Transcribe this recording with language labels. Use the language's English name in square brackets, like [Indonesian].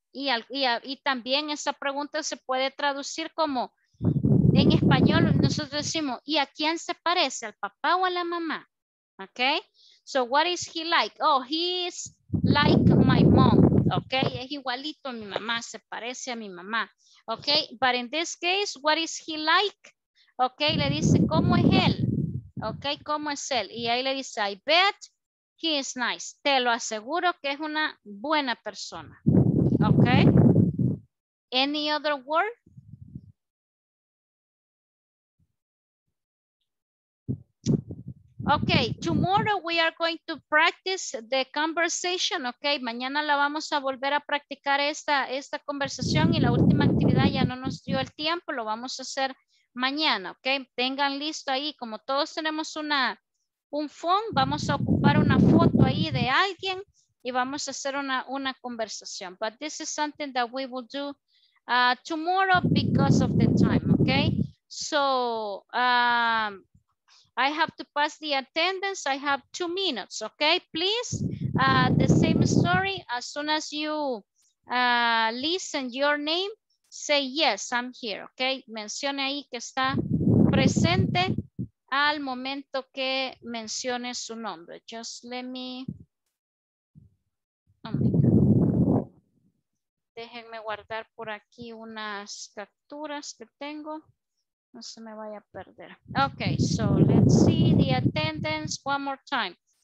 [Spanish] Y también esa pregunta se puede traducir como, en español nosotros decimos, ¿y a quién se parece? ¿Al papá o a la mamá? [English] Ok, so what is he like? Oh, he is like my mom. [Spanish] Ok, es igualito a mi mamá, se parece a mi mamá. [English] Ok, but in this case, what is he like? [Spanish] Ok, le dice, ¿cómo es él? Ok, ¿cómo es él? Y ahí le dice, [English] I bet he is nice. [Spanish] Te lo aseguro que es una buena persona. [English] Ok. Any other word? Ok, tomorrow we are going to practice the conversation. [Spanish] Ok, mañana la vamos a volver a practicar esta conversación y la última actividad ya no nos dio el tiempo, lo vamos a hacer mañana, ok, tengan listo ahí, como todos tenemos un phone, vamos a ocupar una foto ahí de alguien y vamos a hacer una conversación. [English] But this is something that we will do tomorrow because of the time, ok. So, I have to pass the attendance, I have 2 minutes, ok, please, the same story, as soon as you listen your name, say yes, I'm here, ok. [Spanish] Mencione ahí que está presente al momento que mencione su nombre. [English] Just let me. Oh my God. [Spanish] Déjenme guardar por aquí unas capturas que tengo. No se me vaya a perder. [English] Ok, so let's see the attendance one more time.